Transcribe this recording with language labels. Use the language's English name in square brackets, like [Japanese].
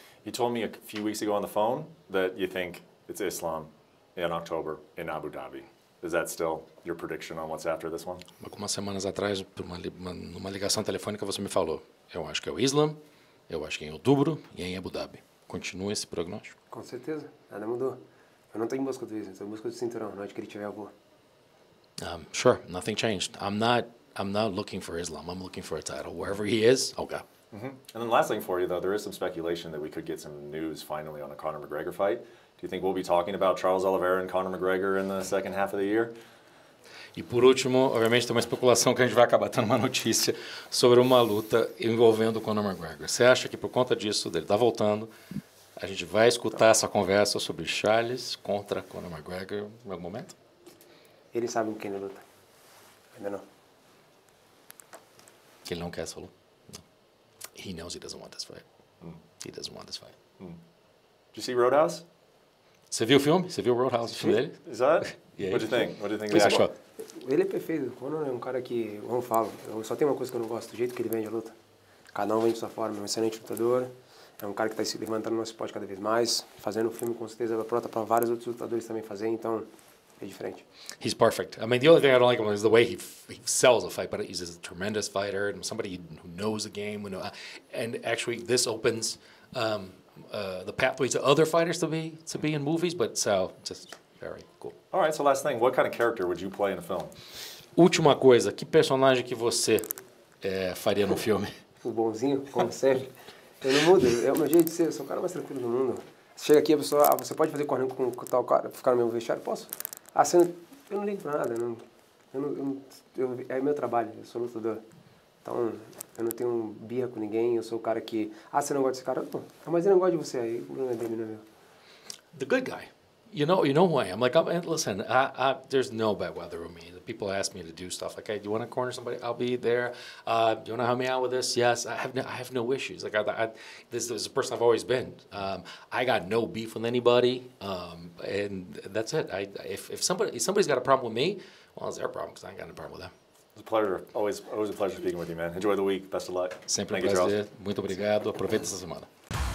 [English] You told me a few weeks ago on the phone that you think it's Islam in October in Abu Dhabi. Is that still your prediction on what's after this one? [Portuguese] Algumas semanas atrás, numa ligação telefônica, você me falou. Eu acho que é o Islam, eu acho que é em outubro e em Abu Dhabi. Continua esse prognóstico? Com certeza, nada mudou. Eu não tô em busca do Islam, tô em busca do cinturão, na hora que ele tiver, eu vou. [English] Sure, nothing changed. I'm not looking for Islam, I'm looking for a title. Wherever he is, I'll go. Mm-hmm. And then last thing for you, though, there is some speculation that we could get some news finally on a Conor McGregor fight. Do you think we'll be talking about Charles Oliveira and Conor McGregor in the second half of the year? [Portuguese] E por último, obviamente, tem uma especulação que a gente vai acabar tendo uma notícia sobre uma luta envolvendo o Conor McGregor. Você acha que por conta disso, dele tá voltando, a gente vai escutar essa conversa sobre Charles contra Conor McGregor em algum momento? Ele sabe com quem ele luta. Ainda não. Que ele não quer essa luta? [English] He knows he doesn't want this fight. He doesn't want this fight. Did you see Roadhouse? [Portuguese] Você viu o filme? Você viu o Roadhouse, o filme dele? [English] Is that? Yeah. What do you think? [Portuguese] O que você achou? Ele é perfeito. O Conor é um cara que, como eu falo, eu só tenho uma coisa que eu não gosto, do jeito que ele vende a luta. Cada um vende de sua forma, é um excelente lutador. É um cara que está se levantando no nosso esporte cada vez mais, fazendo o filme com certeza da prota para vários outros lutadores também fazer, então é diferente. [English] He's perfect. I mean, the only thing I don't like about him is the way he sells a fight, but he's a tremendous fighter and somebody who knows the game. And actually, this opens the pathway to other fighters to be in movies, but so just very cool. All right, so last thing, what kind of character would you play in a film? [Portuguese] Última coisa, que personagem que você faria no filme? O bonzinho, como sempre. Eu não mudo, é o meu jeito de ser, eu sou o cara mais tranquilo do mundo. Você chega aqui, a pessoa, você pode fazer correndo com tal cara, ficar no meu vestiário? Posso? Assim, eu não ligo pra nada, eu Eu, é meu trabalho, eu sou lutador. Então, eu não tenho birra com ninguém, eu sou o cara que... Ah, você não gosta desse cara? Não, mas ele não gosta de você, aí o problema é dele, não é meu. [English] The good guy. You know who I am. Like, listen, there's no bad weather with me. People ask me to do stuff. Like, hey, do you want to corner somebody? I'll be there. Do you want to help me out with this? Yes. I have no issues. Like, this is the person I've always been. I got no beef with anybody. And that's it. If somebody's got a problem with me, well, it's their problem because I ain't got no problem with them. It's a pleasure. Always a pleasure speaking with you, man. Enjoy the week. Best of luck. [Portuguese] Sempre um prazer. Muito obrigado. Aproveita essa semana.